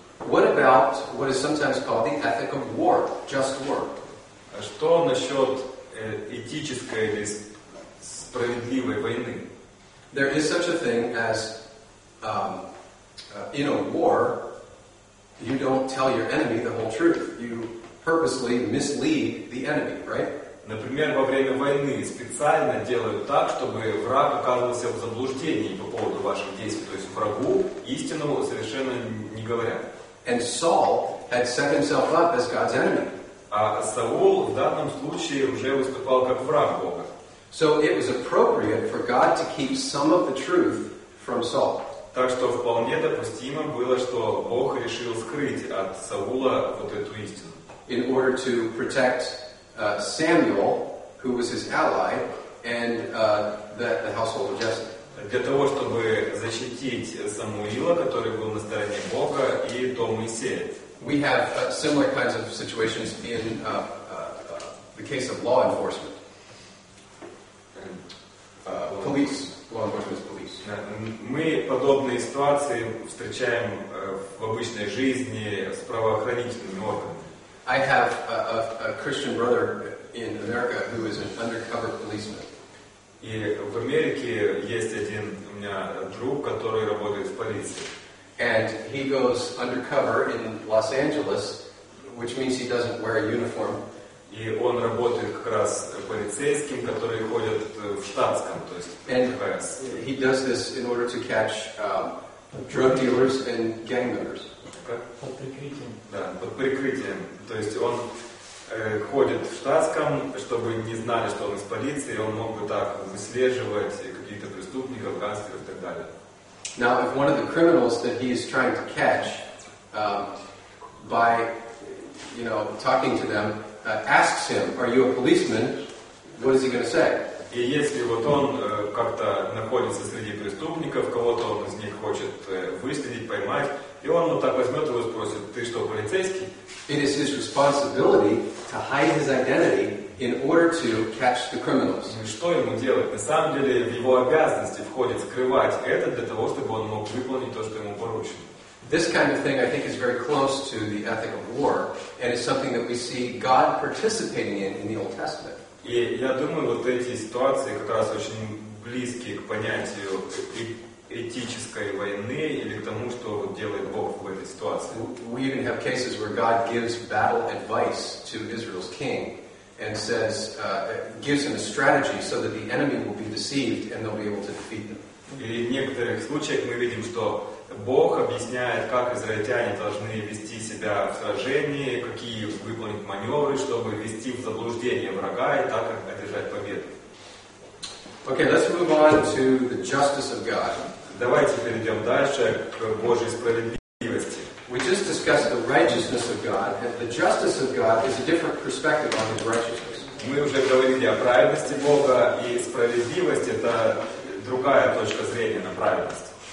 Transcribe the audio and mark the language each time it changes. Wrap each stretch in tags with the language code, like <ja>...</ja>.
<en>What about what is sometimes called the ethic of war, just war?</en> <ru>Что насчет этической или справедливой войны?</ru> <en>There is such a thing as in a war, you don't tell your enemy the whole truth. You purposely mislead the enemy, right?</en> <ru>Например, во время войны специально делают так, чтобы враг оказывался в заблуждении по поводу ваших действий. То есть врагу истинному совершенно не говорят.</ru> <en>And Saul had set himself up as God's enemy.</en> <ru>А Саул в данном случае уже выступал как враг Бога.</ru> <en>So it was appropriate for God to keep some of the truth from Saul.</en> <ru>Так что вполне допустимо было, что Бог решил скрыть от Саула вот эту истину.</ru> <en>In order to protect Samuel, who was his ally, and the household of Jesse.</en> <ru>Для того, чтобы защитить Самуила, который был на стороне Бога, и дом Исея.</ru> <en>We have similar kinds of situations in the case of law enforcement. Police. Law enforcement is police.</en> <ru>Мы подобные ситуации встречаем в обычной жизни с правоохранительными органами.</ru> <en>I have a Christian brother in America who is an undercover policeman.</en> <ru>И в Америке есть один у меня друг, который работает в полиции.</ru> <en>And he goes undercover in Los Angeles, which means he doesn't wear a uniform.</en> <ru>И он работает как раз полицейским, которые ходят в штатском, то есть.</ru> <en>And he does this in order to catch drug dealers and gang members.</en> <ru>Под прикрытием. Да, под прикрытием. То есть он ходит в штатском, чтобы не знали, что он из полиции, и он мог бы так выслеживать каких-то преступников, гангстеров и так далее.</ru> <en>Now, if one of the criminals that he is trying to catch by, you know, talking to them, asks him, "Are you a policeman?" What is he going to say?</en> <ru>И если вот он как-то находится среди преступников, кого-то он из них хочет выследить, поймать, и он вот так возьмет его и спросит, "Ты что, полицейский?"</ru> <en>It is his responsibility to hide his identity in order to catch the criminals.</en> <ru>Что ему делать? На самом деле, в его обязанности входит скрывать это для того, чтобы он мог выполнить то, что ему поручено.</ru> <en>This kind of thing, I think, is very close to the ethic of war, and it's something that we see God participating in the Old Testament.</en> <ru>И я думаю, вот эти ситуации как раз очень близки к понятию этической войны или к тому, что делает Бог в этой ситуации.</ru> <en>We even have cases where God gives battle advice to Israel's king and says, gives him a strategy so that the enemy will be deceived and they'll be able to defeat them.</en> <ru>И в некоторых случаях мы видим, что Бог объясняет, как израильтяне должны вести себя в сражении, какие выполнить маневры, чтобы ввести в заблуждение врага и так одержать победу.</ru> <en>Okay, let's move on to the justice of God.</en> <ru>Давайте перейдем дальше к Божьей справедливости.</ru> <en>We just discussed the righteousness of God, and the justice of God is a different perspective on His righteousness.</en> <ru>Мы уже говорили о праведности Бога, и справедливость — это другая точка зрения на праведность.</ru>